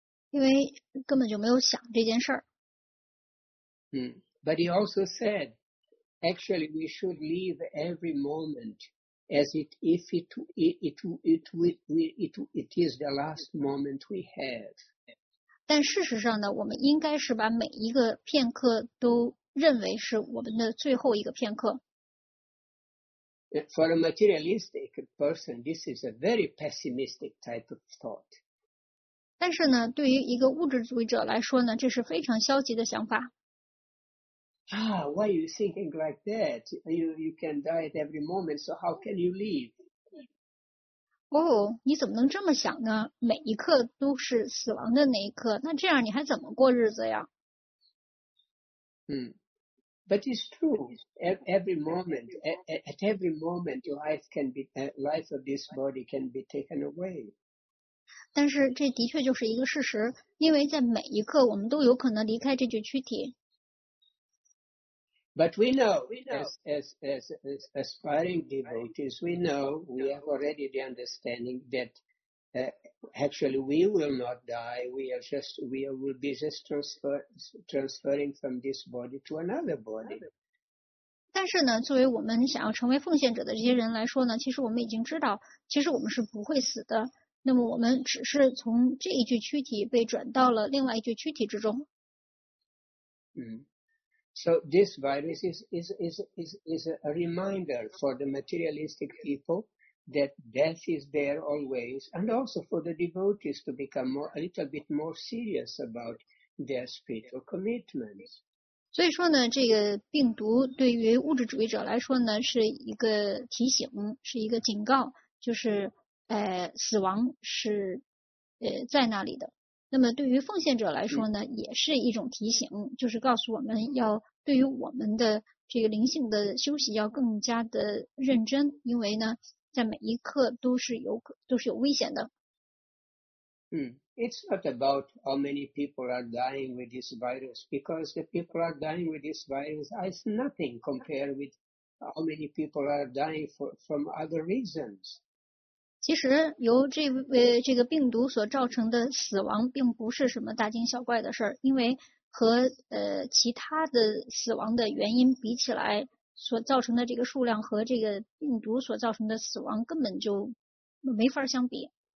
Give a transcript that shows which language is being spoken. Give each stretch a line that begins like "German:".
Chinese: 因为根本就没有想这件事儿。
English: But he also said, actually we should live every moment. As it is the last moment we have.
Chinese: 但事实上呢，我们应该是把每一个片刻都认为是我们的最后一个片刻。
English: For a materialistic person, this is a very pessimistic type of thought.
Chinese: 但是呢，对于一个物质主义者来说呢，这是非常消极的想法。
English: Ah, why are you thinking like that? You can die at every moment, so how can you live?
Chinese: Oh, 你怎么能这么想呢？每一刻都是死亡的那一刻，那这样你还怎么过日子呀？
English: But it's true. At every moment, life of this body can be taken away.
Chinese: 但是这的确就是一个事实，因为在每一刻我们都有可能离开这具躯体。
English: But we know, as aspiring devotees, we know, we have already the understanding that actually we will not die, we will be just transferring from this body to another body.
Chinese: 但是呢，作为我们想要成为奉献者的这些人来说呢，其实我们已经知道，其实我们是不会死的，那么我们只是从这一具躯体被转到了另外一具躯体之中。
English: So this virus is a reminder for the materialistic people that death is there always, and also for the devotees to become more, a little bit more serious about their spiritual commitments.
Chinese: 所以说呢，这个病毒对于物质主义者来说呢，是一个提醒，是一个警告，就是死亡是在那里的。那么对于奉献者来说呢，也是一种提醒，就是告诉我们要对于我们的这个灵性的休息要更加的认真，因为呢，在每一刻都是有危险的。
English: It's not about how many people are dying with this virus, because the people are dying with this virus is nothing compared with how many people are dying from other reasons.
Chinese: 其实由这个病毒所造成的死亡并不是什么大惊小怪的事儿，因为和其他的死亡的原因比起来，所造成的这个数量和这个病毒所造成的死亡根本就没法相比。